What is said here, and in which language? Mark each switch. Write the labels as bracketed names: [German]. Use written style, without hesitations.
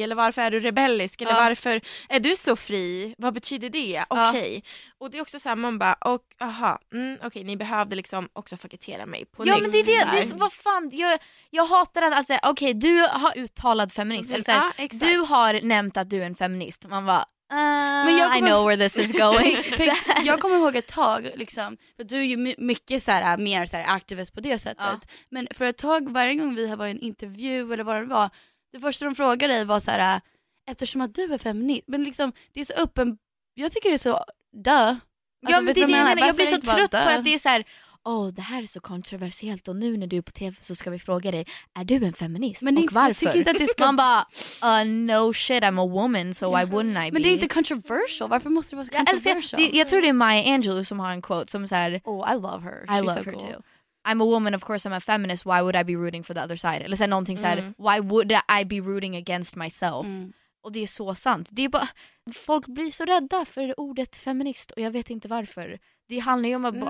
[Swedish] Eller varför är du rebellisk? Eller varför är du så fri? Vad betyder det? Okej. Och det är också så här, man bara, okej, ni behövde liksom också facketera mig på nytt. Ja, men det är så, vad fan, jag hatar att säga, okej, du har uttalat feminist. Eller så här, du har nämnt att du är en feminist. Man bara, men jag kommer, [English] I know where this is going. [Swedish] Jag kommer ihåg ett tag liksom, för du är ju mycket så här, mer så här, aktivist på det sättet. Men för ett tag, varje gång vi har varit i en intervju eller vad det var, det första de frågade dig var så här, eftersom att du är feminist. Men liksom, det är så uppen, jag tycker det är så jag blir så trött på att det är så här, det här är så kontroversiellt och nu när du är på tv så ska vi fråga dig, är du en feminist? Men och inte, varför? Jag tycker inte att det ska... Man bara, [English] no shit, I'm a woman, so why wouldn't I be? [Swedish] Men det är inte controversial, varför måste det vara så controversial? Jag tror det är Maya Angelou som har en quote som säger, [English] oh, I love her, she's love so her cool. I'm a woman, of course I'm a feminist, why would I be rooting for the other side? [Swedish] Eller säger någonting såhär, [English] why would I be rooting against myself? [Swedish] Och det är så sant. Det är bara, folk blir så rädda för ordet feminist och jag vet inte varför. Det handlar ju om att bara...